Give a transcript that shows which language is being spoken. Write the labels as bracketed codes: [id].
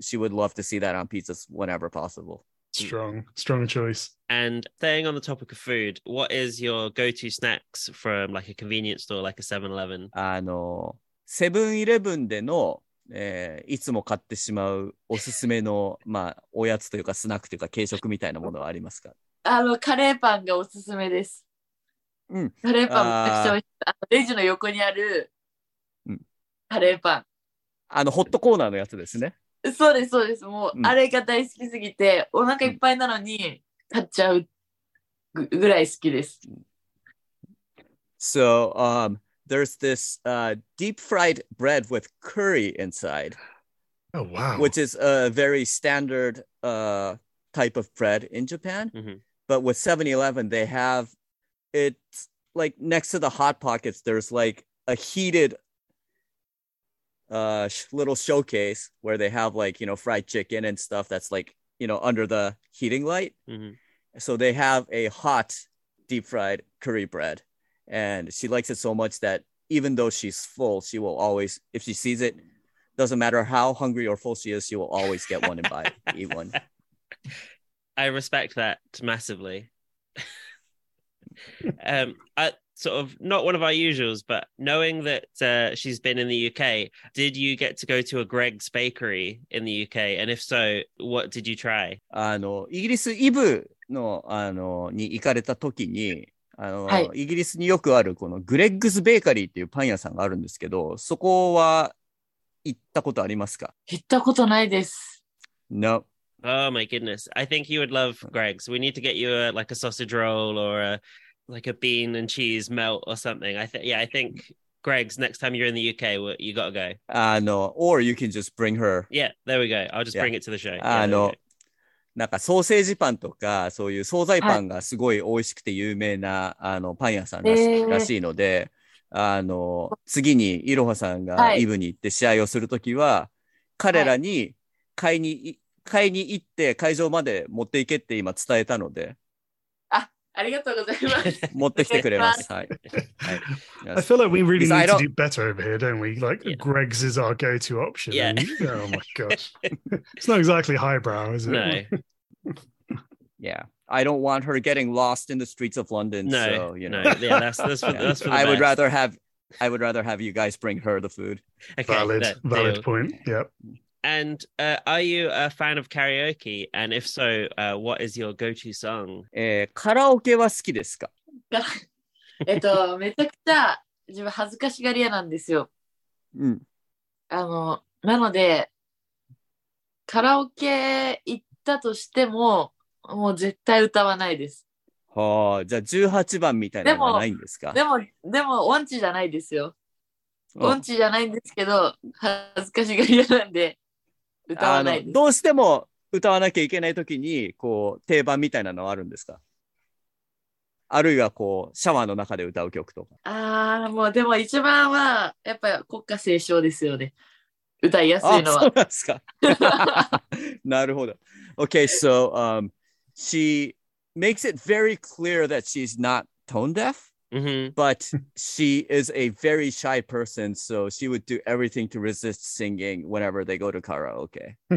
[en] She would love to see that on pizzas whenever possible. Strong choice. And staying on the topic of food, what is your go-to snacks from like a convenience store, like a 7-Eleven? [ja] Seven-Eleven での、いつも買ってしまうおすすめの、まあ、おやつというかスナックというか軽食みたいなものはありますか？カレーパンがおすすめです。カレーパンもたくさん、レジの横にあるカレーパン。ホットコーナーのやつですね。そうです、そうです。もう、あれが大好きすぎて、お腹いっぱいなのに、買っちゃう ぐらい好きです。 [en] So, there's this deep fried bread with curry inside. Oh, wow. Which is a very standard type of bread in Japan. Mm-hmm. But with 7-Eleven, they have it, like, next to the Hot Pockets, there's like a heated little showcase where they have like, you know, fried chicken and stuff that's like, you know, under the heating light. Mm-hmm. So they have a hot deep fried curry bread. And she likes it so much that even though she's full, she will always, if she sees it, doesn't matter how hungry or full she is, she will always get one and buy eat one. I respect that massively. Sort of not one of our usuals, but knowing that she's been in the UK, did you get to go to a Greg's Bakery in the UK? And if so, what did you try? [ja] イギリスイブの、に行かれた時に、はい、イギリスによくあるこのグレッグスベーカリーっていうパン屋さんがあるんですけど、そこは行ったことありますか？行ったことないです。 [en] No. Oh my goodness. I think you would love Greg's. We need to get you like a sausage roll or a... like a bean and cheese melt or something. I think Greg's, next time you're in the UK, you gotta go. No, or you can just bring her. Yeah, there we go. I'll just bring it to the show. [ja] なんかソーセージパンとかそういう惣菜パンがすごい美味しくて有名な、はい、パン屋さんらしいので、次にいろはさんがイブに行って試合をするときは、はい、彼らに買いに行って会場まで持っていけって今伝えたので、ありがとうございます。持ってきてくれます。はい。 [en] I feel like we really need to do better over here, don't we? Like, yeah. Greg's is our go-to option. Yeah. Oh my gosh. It's not exactly highbrow, is it? No. Yeah. I don't want her getting lost in the streets of London. No. So, you know. No. Yeah, that's for the best. I would rather have you guys bring her the food. Okay, valid point. Yep. And are you a fan of karaoke? And if so, what is your go-to song? [ja] Karaoke は好きですか？めちゃくちゃ自分恥ずかしがり屋なんですよ。うん。なのでカラオケ行ったとしてももう絶対歌わないです。はあ、じゃあ18番みたいなのはないんですか？でも音痴じゃないですよ。音痴じゃないんですけど恥ずかしがり屋なんで。歌わないです。どうしても歌わなきゃいけないときにこう定番みたいなのはあるんですか？あるいはこうシャワーの中で歌う曲とか。ああ、もうでも一番はやっぱり国歌斉唱ですよね。歌いやすいのは。あ、そうなんですか。なるほど。 [en] Okay, so she makes it very clear that she's not tone deaf, but she is a very shy person, so she would do everything to resist singing whenever they go to karaoke.